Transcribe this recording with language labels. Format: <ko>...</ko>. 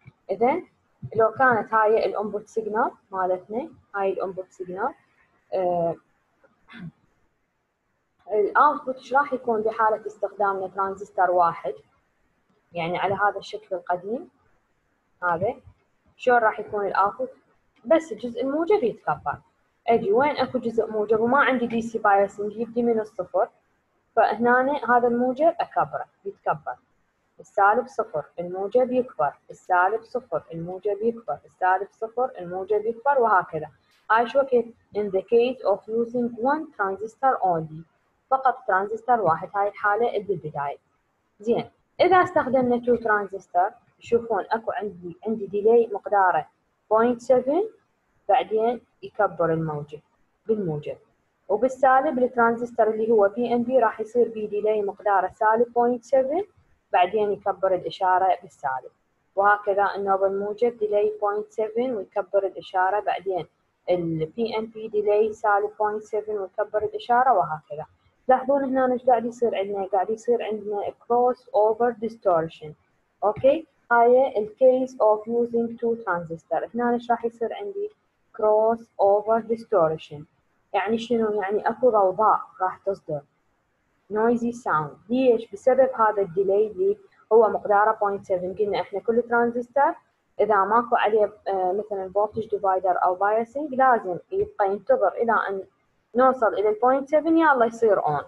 <ar>إذن لو كانت هاي الانبوت سيجنال مالتنا، هاي الانبوت سيجنال الاوتبوت ايش راح يكون بحاله استخدامنا ترانزستور واحد يعني على هذا الشكل القديم؟ هذا شلون راح يكون الاوتبوت؟ بس الجزء الموجب يتكبر. اجي وين اكو جزء موجب وما عندي دي سي بايسنج يبدي من الصفر، فهنا هذا الموجب اكبره يتكبر، السالب صفر الموجب يكبر، السالب صفر الموجب يكبر، السالب صفر الموجب يكبر، وهكذا.</ar> <en>I show it in the case of using one transistor only،</en> <ar>فقط ترانزستور واحد، هاي الحالة بالبداية. زين، إذا استخدمنا two transistor شوفون أكو عندي delay مقداره 0.7، بعدين يكبر الموجب بالموجب، وبالسالب الترانزستور اللي هو PNP راح يصير بي delay مقداره سالب 0.7، بعدين يكبر الإشارة بالسالب، وهكذا النوبل موجب delay 0.7 ويكبر الإشارة، بعدين ال PNP delay سالب 0.7 ويكبر الإشارة، وهكذا. لاحظون هنا ايش قاعد يصير عندنا؟ قاعد يصير عندنا cross over distortion. اوكي، هاي ال</ar> <en>case of using two transistor.</en> <ar>هنا ايش راح يصير عندي؟ cross over distortion يعني شنو؟ يعني اكو ضوضاء راح تصدر،</ar> <en>noisy sound.</en> <ar>ليش؟ بسبب هذا الديلي اللي هو مقداره 0.7. قلنا احنا كل ترانزستور اذا ماكو عليه مثلا فولتج ديفايدر او بايسنج لازم يبقى ينتظر الى ان نوصل الى 0.7 يلا يصير اون.</ar>